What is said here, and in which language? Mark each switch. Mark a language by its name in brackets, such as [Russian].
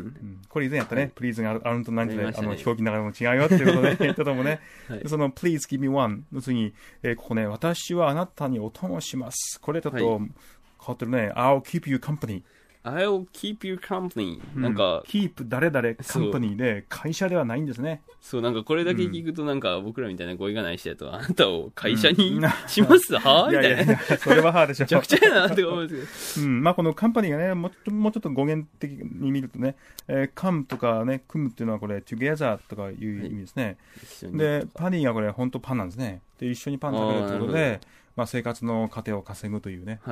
[Japanese] うん、これ以前やったね、はい、Please があるんと何で、ね、あの飛行機の中でも違うよっていうことで言ったともね、はい、その [English] Please give me one [Japanese] の次、ここね、私はあなたにお供します、これだと変わってるね、はい、 [English] I'll keep you company、 I'll keep you company、 なんか、うん、 [Japanese] keep 誰々 company で会社ではないんですね、そう、なんかこれだけ聞くとなんか僕らみたいな語彙がない人だと、あなたを会社に、うん、しますはみたいな、いやいやいや、それははでしょ、めちゃくちゃやなって思うんですけど、うん、まあこのカンパニーがね、もうちょっと語源的に見るとね、カムとかね、組むっていうのはこれ together とかいう意味ですね、はい、でパニーがこれ本当パンなんですね、で一緒にパン食べるということで、まあ、生活の糧を稼ぐというね、